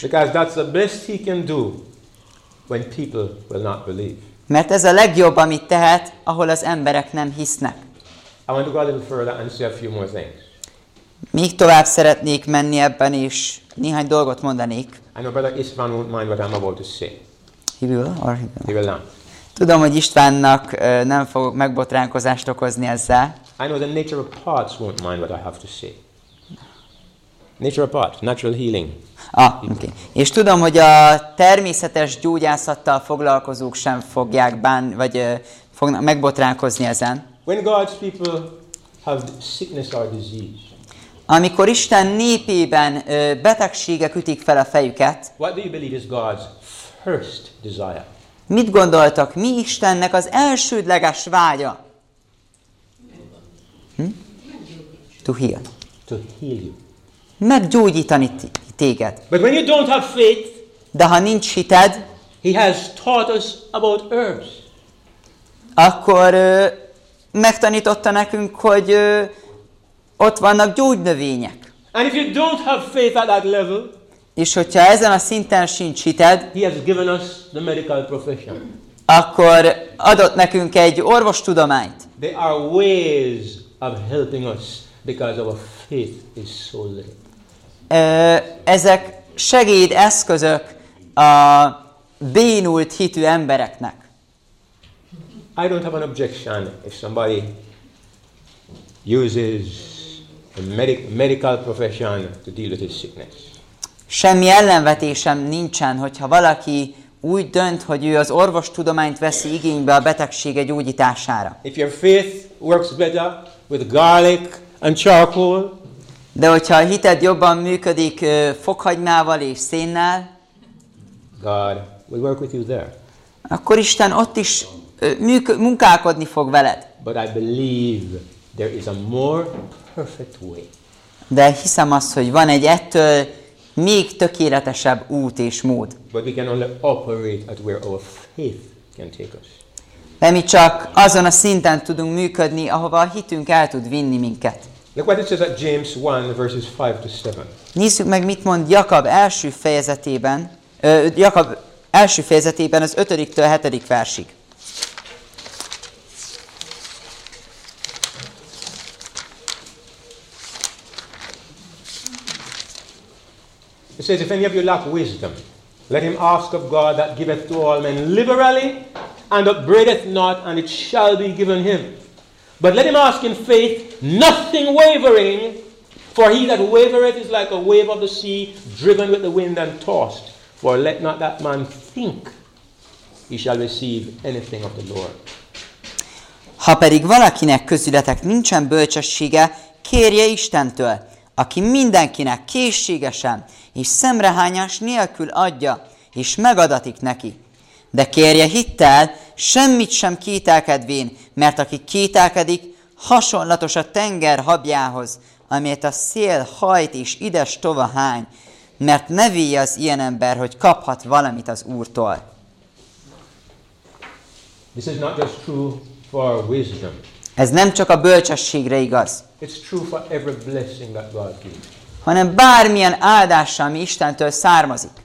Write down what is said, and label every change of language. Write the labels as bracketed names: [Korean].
[English] Because that's the best he can do when people will not believe. [Hungarian] Mert ez a legjobb, amit tehet, ahol az emberek nem hisznek. [English] I want to go a little further and say a few more things. [Hungarian] Még tovább szeretnék menni ebben, és néhány dolgot mondanék. [English] I know Brother István won't mind what I'm about to say. He will not. [Hungarian] Tudom, hogy Istvánnak nem fogok megbotránkozást okozni ezzel. [English] I know the nature of pots won't mind what I have to say. Nature of pots, natural healing. Okay. [Hungarian] És tudom, hogy a természetes gyógyászattal foglalkozók sem fogják bánni, vagy fognak megbotránkozni ezen. [English] When God's people have sickness or disease. [Hungarian] Amikor Isten népében betegségek ütik fel a fejüket. [English] What do you believe is God's first desire? [Hungarian] Mit gondoltak, mi Istennek az elsődleges vágya? [English] To heal. To heal you. [Hungarian] Meggyógyítani téged. [English] But when you don't have faith, [Hungarian] de ha nincs hited, [English] he has taught us about herbs. [Hungarian] Akkor megtanította nekünk, hogy ott vannak gyógynövények. [English] And if you don't have faith at that level, [Hungarian] és hogyha ezen a szinten sincs hited, [English] he has given us the medical profession. [Hungarian] Akkor adott nekünk egy orvostudományt. [English] There are ways of helping us because our faith is so little. [Hungarian] Ezek segéd eszközök a bénult hitű embereknek. [English] I don't have an objection if somebody uses a medical profession to deal with his sickness. [Hungarian] Semmi ellenvetésem nincsen, hogyha valaki úgy dönt, hogy ő az orvostudományt veszi igénybe a betegsége gyógyítására. [English] If your faith works better with garlic and charcoal, [Hungarian] de hogyha a hited jobban működik fokhagymával és szénnel, [English] God will work with you there. [Hungarian] Akkor Isten ott is munkálkodni fog veled. [English] But I believe there is a more perfect way. [Hungarian] De hiszem azt, hogy van egy ettől még tökéletesebb út és mód. [English] But we can only operate at where our faith can take us. [Hungarian] De mi csak azon a szinten tudunk működni, ahova a hitünk el tud vinni minket. [English] Look what it says at James 1, verses 5 to 7. [Hungarian] Nézzük meg, mit mond Jakab első fejezetében, Jakab első fejezetében az 5-től 7. versig. [English] It says, if any of you lack wisdom, let him ask of God that giveth to all men liberally, and upbraideth not, and it shall be given him. But let him ask in faith, nothing wavering, for he that wavereth is like a wave of the sea, driven with the wind and tossed. For let not that man think he shall receive anything of the Lord. [Hungarian] Ha pedig valakinek közületek nincsen bölcsessége, kérje Istentől, aki mindenkinek készségesen és szemrehányás nélkül adja, és megadatik neki. De kérje hittel, semmit sem kételkedvén, mert aki kételkedik, hasonlatos a tenger habjához, amelyet a szél hajt és ides tova hány, mert ne vélje az ilyen ember, hogy kaphat valamit az Úrtól. [English] This is not just true for wisdom. [Hungarian] Ez nem csak a bölcsességre igaz. [English] It's true for every blessing that God gives. [Hungarian] Hanem bármilyen áldása, ami Istentől származik.